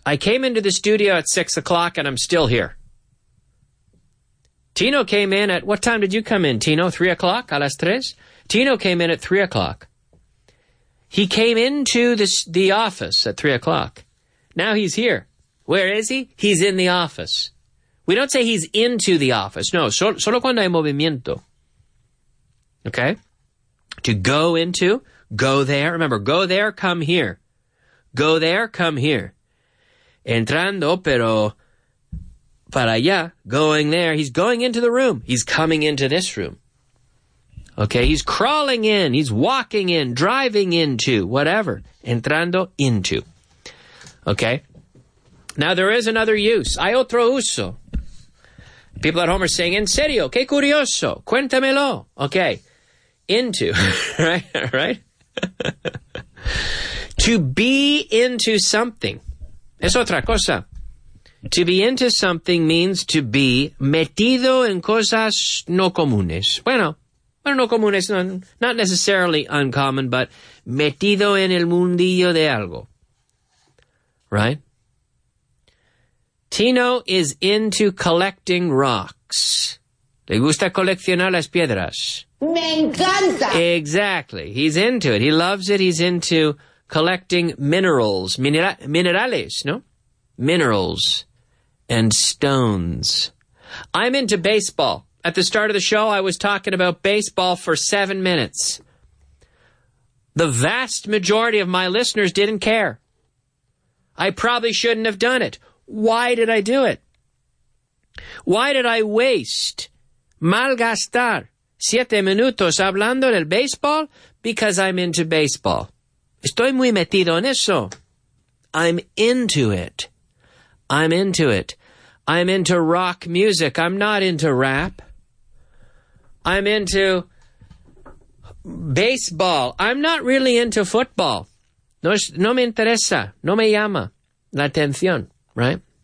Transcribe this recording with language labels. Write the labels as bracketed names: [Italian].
[English] I came into the studio at 6 o'clock and I'm still here. Tino came in at, what time did you come in, Tino? 3 o'clock? [Spanish] A las tres? [English] Tino came in at 3 o'clock. He came into the office at 3 o'clock. Now he's here. Where is he? He's in the office. We don't say he's into the office. [Spanish] No, solo cuando hay movimiento. [English] Okay? To go into, go there. Remember, go there, come here. Go there, come here. [Spanish] Entrando, pero para allá, [English] going there. He's going into the room. He's coming into this room. Okay, he's crawling in, he's walking in, driving into, whatever. Entrando into. Okay? Now there is another use. [Spanish] Hay otro uso. [English] People at home are saying, [Spanish] en serio, qué curioso, cuéntamelo. [English] Okay, into, right? Right? To be into something. [Spanish] Es otra cosa. [English] To be into something means to be [Spanish] metido en cosas no comunes. Bueno, no comunes, [English] not necessarily uncommon, but [Spanish] metido en el mundillo de algo. Right? [English] Tino is into collecting rocks. [Spanish] Le gusta coleccionar las piedras. Me encanta. [English] Exactly. He's into it. He loves it. He's into collecting minerals. [Spanish] Minerales, no? [English] Minerals and stones. I'm into baseball. At the start of the show, I was talking about baseball for 7 minutes. The vast majority of my listeners didn't care. I probably shouldn't have done it. Why did I do it? Why did I waste, malgastar, [Spanish] 7 minutos hablando del baseball? [English] Because I'm into baseball. [Spanish] Estoy muy metido en eso. [English] I'm into it. I'm into it. I'm into rock music. I'm not into rap. I'm into baseball. I'm not really into football. [Spanish] No me interesa. No me llama la atención, right?